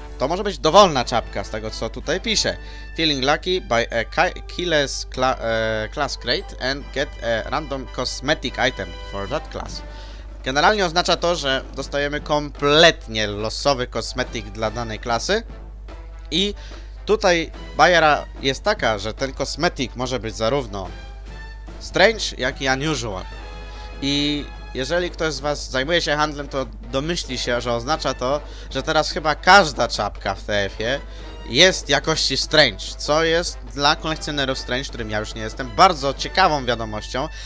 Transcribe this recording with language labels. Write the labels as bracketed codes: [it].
[pl] To może być dowolna czapka z tego co tutaj pisze. [en] Feeling lucky, buy a Killers class crate and get a random cosmetic item for that class. [pl] Generalnie oznacza to, że dostajemy kompletnie losowy kosmetyk dla danej klasy i Tutaj bajera jest taka, że ten kosmetyk może być zarówno strange, jak i unusual. I jeżeli ktoś z was zajmuje się handlem, to domyśli się, że oznacza to, że teraz chyba każda czapka w TF-ie jest jakości strange, co jest dla kolekcjonerów strange, którym ja już nie jestem, bardzo ciekawą wiadomością.